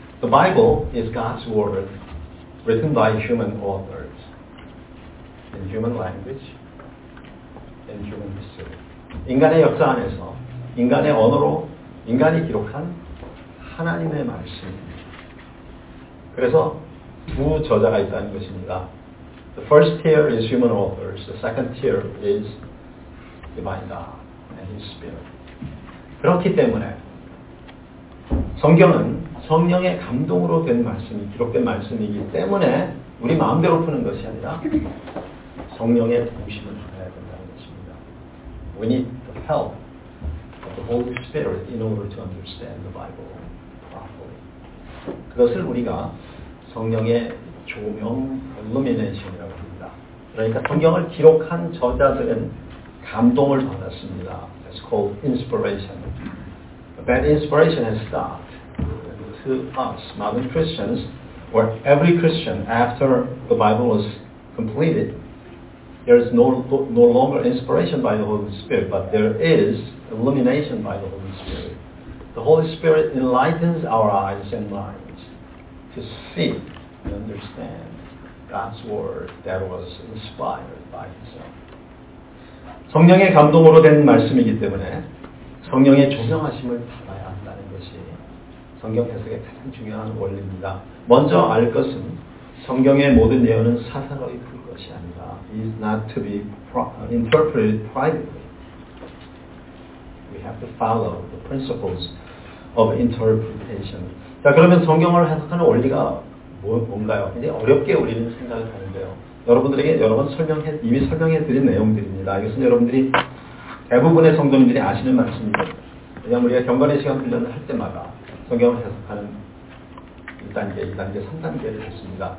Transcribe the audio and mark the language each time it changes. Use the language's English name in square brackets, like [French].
[English] The Bible is God's word written by human authors. In human language, in human history. [Korean] 인간의 역사 안에서 인간의 언어로 인간이 기록한 하나님의 말씀. 그래서 두 저자가 있다는 것입니다. [English] The first tier is human authors. The second tier is divine God and His Spirit. [Korean] 그렇기 때문에 성경은 성령의 감동으로 된 말씀이 기록된 말씀이기 때문에 우리 마음대로 푸는 것이 아니라 성령의 도우심을 받아야 된다는 것입니다. [English] We need the help of the Holy Spirit in order to understand the Bible properly. [Korean] 그것을 우리가 성령의 조명 illumination이라고 합니다. 그러니까 성경을 기록한 저자들은 감동을 받았습니다. [English] It's called inspiration. That inspiration has stopped to us, modern Christians, or every Christian after the Bible was completed. There is no longer inspiration by the Holy Spirit, but there is illumination by the Holy Spirit. The Holy Spirit enlightens our eyes and minds to see and understand God's Word that was inspired by Himself. [Korean] 성령의 감동으로 된 말씀이기 때문에 성령의 조명하심을 받아야 한다는 것이 성경 해석의 가장 중요한 원리입니다. 먼저 알 것은 성경의 모든 예언은 사사로이 풀 것이 아니라 [English] is not to be interpreted privately. We have to follow the principles of interpretation. [Korean] 자, 그러면 성경을 해석하는 원리가 뭔가요? 굉장히 어렵게 우리는 생각을 하는데요. 여러분들에게 여러 번 이미 설명해 드린 내용들입니다. 이것은 여러분들이 대부분의 성도님들이 아시는 말씀입니다. 왜냐하면 우리가 경건의 시간 훈련을 할 때마다 성경을 해석하는 1단계, 2단계, 3단계를 했습니다.